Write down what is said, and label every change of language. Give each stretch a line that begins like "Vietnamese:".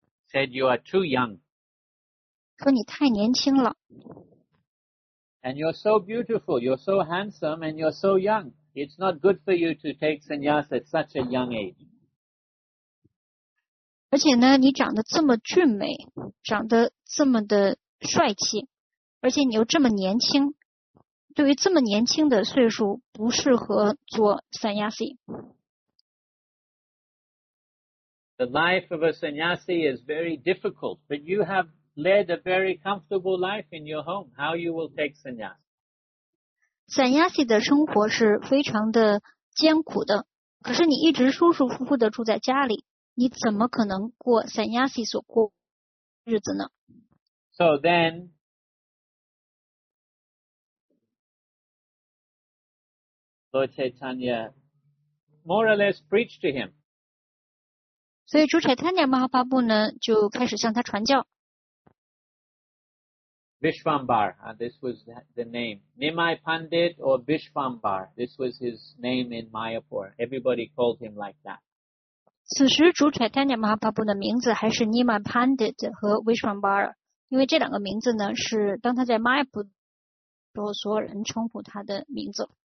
English: Said you are too young.
Chinese: 说你太年轻了。
English: And you're so beautiful, you're so handsome, and you're so young. It's not good for you to take sannyas at such a young age.
Chinese: 而且呢，你长得这么俊美，长得这么的帅气，而且你又这么年轻，对于这么年轻的岁数，不适合做 sannyasi.
English: The life of a sannyasi is very difficult, but you have. Led a very comfortable life in your home. How you will take sannyas?
Chinese: Sannyasi 的生活是非常的艰苦的。可是你一直舒舒服服的住在家里，你怎么可能过 sannyasi 所过日子呢
English: ？So then, Lord Chaitanya more or less preached to him.
Chinese: 所以主彩丹尼玛哈巴布呢就开始向他传教。
English: Vishvambar, this was the name. Nimai Pandit or Vishvambar, this was his name in Mayapur. Everybody called him like that.
Chinese: 此时主彩丹尼玛哈巴布的名字还是 Nimai Pandit 和 Vishvambar, 因为这两个名字呢是当他在 Mayapur 时候所有人称呼他的名字。